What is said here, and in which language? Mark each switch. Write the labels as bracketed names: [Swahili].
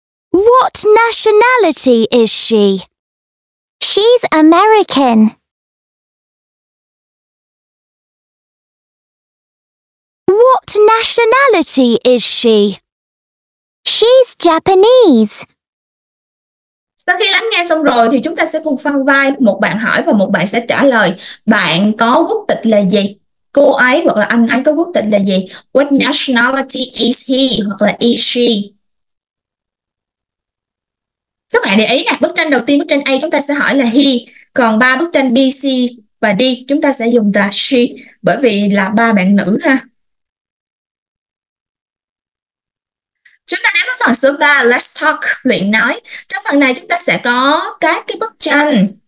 [English] What nationality is she? She's American. What nationality is she? She's Japanese. [Vietnamese] Sau khi lắng nghe xong rồi thì chúng ta sẽ cùng phân vai, một bạn hỏi và một bạn sẽ trả lời. Bạn có quốc tịch là gì? Cô ấy hoặc là anh ấy có quốc tịch là gì? [English] What nationality is he [Vietnamese] hoặc là [English] is she? [Vietnamese] Các bạn để ý nè, bức tranh đầu tiên, bức tranh A chúng ta sẽ hỏi là he, còn ba bức tranh B, C và D chúng ta sẽ dùng là she, bởi vì là ba bạn nữ ha. Chúng ta đến với phần số 3, [English] let's talk, [Vietnamese] luyện nói. Trong phần này chúng ta sẽ có các cái bức tranh